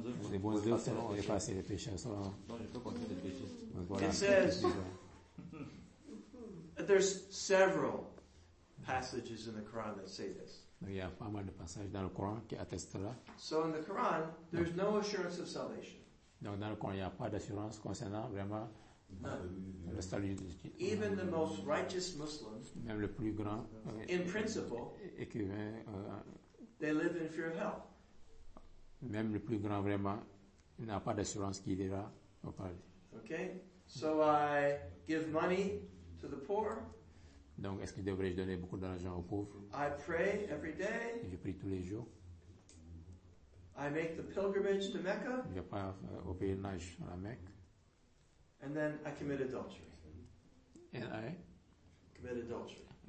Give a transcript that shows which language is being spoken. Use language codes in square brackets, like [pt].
[fr] Les bons œuvres sont effacées, les péchés sont. Donc je peux compter les péchés. [en] It says that there's several passages in the Quran that say this. [fr] Il y a pas mal de passages dans le Coran qui attestent là. [en] So in the Quran, there's no assurance of salvation. [fr] Donc dans le Coran, il n'y a pas d'assurance concernant vraiment le salut. [en] Even the most righteous Muslim, [fr] même le plus grand, [en] in principle, [fr] écrivain, [en] they live in fear of hell. [fr] Même le plus grand vraiment, il n'a pas d'assurance qu'il ira au paradis. [en] Okay, so I give money to the poor. [fr] Donc, est-ce que devrais-je donner beaucoup d'argent aux pauvres? [en] I pray every day. [fr] Je prie tous les jours. [en] I make the pilgrimage to Mecca. [fr] Je pars au pèlerinage à la Mecque. [en] And then I commit adultery. [fr] Et là, [en] commit adultery.